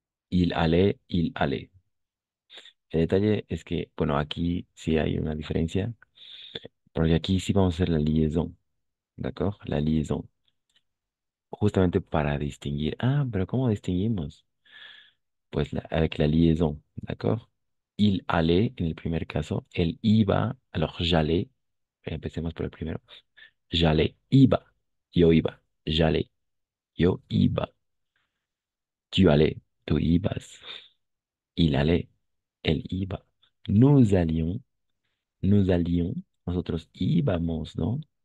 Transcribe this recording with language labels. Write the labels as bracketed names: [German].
[French] Il allait, il allait. [Spanish] El detalle es que, bueno, aquí sí hay una diferencia, porque aquí sí vamos a hacer la liaison, ¿d'accord? La liaison. Justamente para distinguir. Ah, pero ¿cómo distinguimos? [French] Pues avec la liaison, ¿d'accord? Il allait [Spanish] en el primer caso, él iba, [French] alors j'allais, [Spanish] empecemos por el primero. [French] J'allais, [Spanish] iba, yo iba, j'allais, yo iba. [French] Tu allais. [Spanish] Tu ibas, [French] il allait, [Spanish] él iba, [French] nous allions, [Spanish] nosotros íbamos, ¿no?